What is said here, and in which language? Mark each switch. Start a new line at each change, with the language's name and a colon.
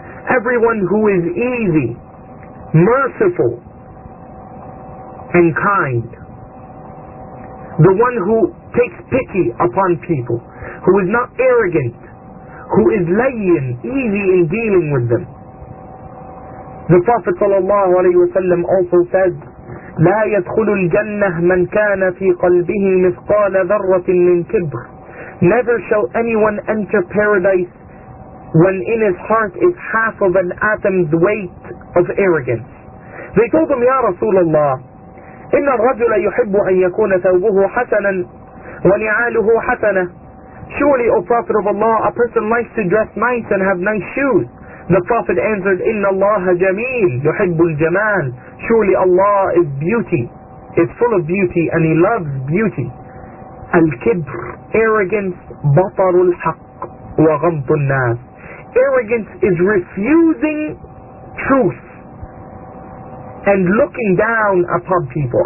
English: Everyone who is easy, merciful, and kind. The one who takes pity upon people. who is not arrogant, who is layin, easy in dealing with them. The Prophet sallallahu alayhi wa sallam also says,
Arabic: لا يدخل الجنة من كان في قلبه مثقال ذرة من كبر.
English: Never shall anyone enter paradise when in his heart is half of an atom's weight of arrogance. They told him, Ya Rasulullah,
Arabic: إن الرجل يحب أن يكون ثوبه حسنا ونعاله حسنة.
English: Surely, O Prophet of Allah, a person likes to dress nice and have nice shoes. The Prophet answered,
Arabic: إن الله جميل يحب الجمال.
English: Surely Allah is beauty, is full of beauty, and He loves beauty.
Arabic: Al-kibr, arrogance, batar al-haq wa ghamt al-nas.
English: Arrogance is refusing truth and looking down upon people.